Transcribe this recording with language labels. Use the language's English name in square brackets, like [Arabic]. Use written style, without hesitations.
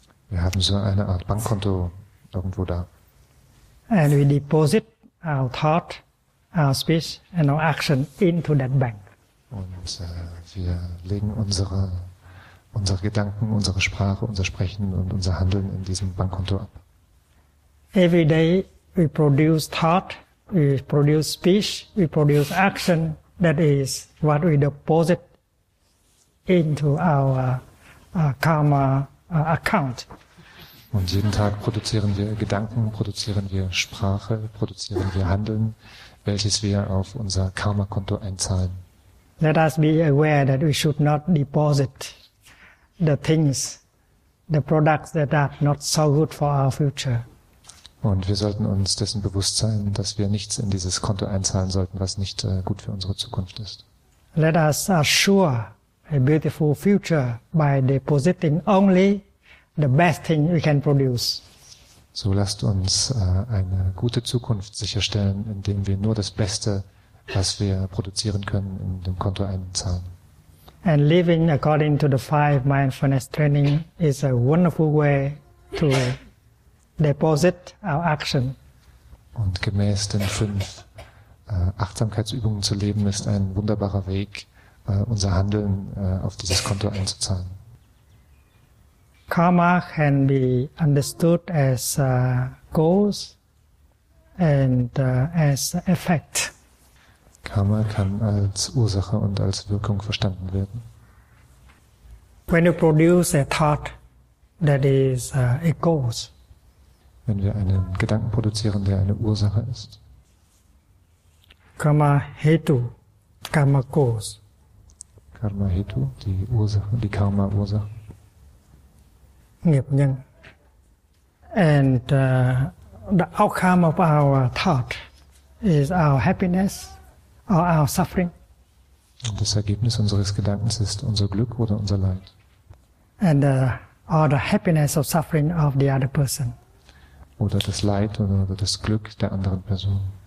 [German] Wir haben so eine Art Bankkonto irgendwo da. [English] And we deposit our thought, our speech and our action into that bank. [German] Und wir legen unsere Gedanken, unsere Sprache, unser Sprechen und unser Handeln in diesem Bankkonto ab. [English] Every day we produce thought, we produce speech, we produce action, that is what we deposit into our karma account. [German] Und jeden Tag produzieren wir Gedanken, produzieren wir Sprache, produzieren wir Handeln, welches wir auf unser Karma-Konto einzahlen. [English] Let us be aware that we should not deposit the things, the products that are not so good for our future. [German] Und wir sollten uns dessen bewusst sein, dass wir nichts in dieses Konto einzahlen sollten, was nicht gut für unsere Zukunft ist. [English] Let us assure a beautiful future by depositing only the best thing we can produce. [German] So lasst uns eine gute Zukunft sicherstellen, indem wir nur das Beste, was wir produzieren können, in dem Konto einzahlen. [English] And living according to the five mindfulness training is a wonderful way to deposit our action. [German] Und gemäß den fünf Achtsamkeitsübungen zu leben, ist ein wunderbarer Weg, unser Handeln auf dieses Konto einzuzahlen. [English] Karma can be understood as cause and as effect. [German] Karma kann als Ursache und als Wirkung verstanden werden. [English] When you produce a thought that is a cause. [German] Wenn wir einen Gedanken produzieren, der eine Ursache ist. [English] Karma hetu, karma cause. [German] Karma hetu, die Ursache, die Karma Ursache. [Vietnamese] Nghiệp nhân. [English] And the outcome of our thought is our happiness or our suffering. [German] Das Ergebnis unseres Gedankens ist unser Glück oder unser Leid. [English] And or the happiness or suffering of the other person. [German] Oder das Leid oder das Glück der anderen Person.